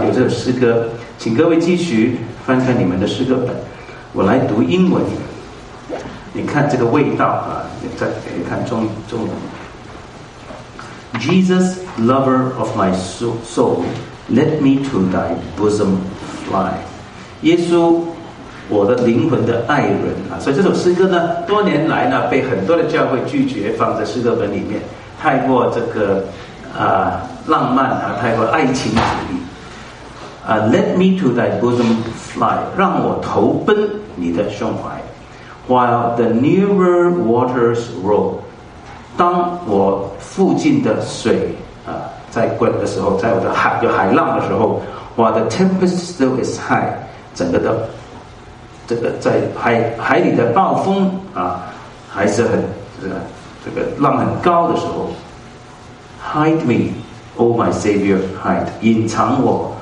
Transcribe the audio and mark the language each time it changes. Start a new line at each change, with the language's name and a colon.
Chinese: 诗歌，请各位继续翻开你们的诗歌本，我来读英文。你看这个味道啊，你再你看中文。
English: Jesus, lover of my soul, let me to thy bosom fly.
Chinese: 耶稣，我的灵魂的爱人啊，所以这首诗歌呢，多年来呢，被很多的教会拒绝放在诗歌本里面，太过这个浪漫啊，太过爱情主义。
English: Let me to thy bosom fly,
Chinese: 让我投奔你的胸怀。
English: While the nearer waters roll,
Chinese: 当我附近的水在滚的时候，在我的海有海浪的时候 ，
English: While the tempest still is high,
Chinese: 整个的这个在海里的暴风还是很这个浪很高的时候 ，
English: Hide me, O my Savior, hide,
Chinese: 隐藏我。